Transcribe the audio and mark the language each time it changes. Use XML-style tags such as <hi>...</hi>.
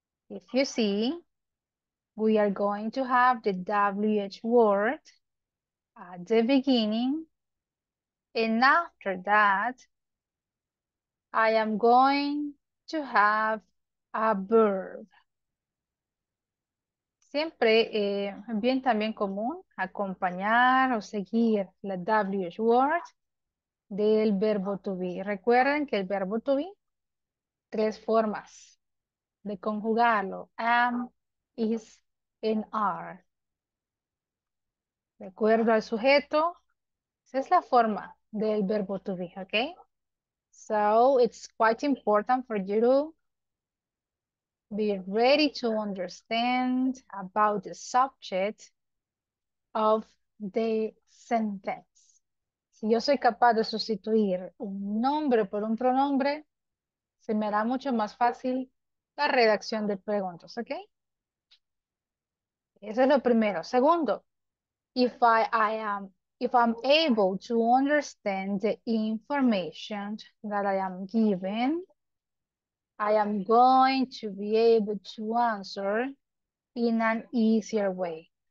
<en>If you see, we are going to have the WH word at the beginning. And after that, I am going to have a verb.</en> <es>Siempre bien también común acompañar o seguir la WH word del verbo to be. Recuerden que el verbo to be, tres formas de conjugarlo:</es> <en>am, is, and are.</en> <es>De acuerdo al sujeto, esa es la forma del verbo to be, ¿ok?</es> <en>So it's quite important for you to be ready to understand about the subject of the sentence.</en> <es>Si yo soy capaz de sustituir un nombre por un pronombre, se me hará mucho más fácil la redacción de preguntas, ¿ok? Eso es lo primero.</es> <en>Segundo, if I'm able to understand the information that I am given, I am going to be able to answer in an easier way.</en>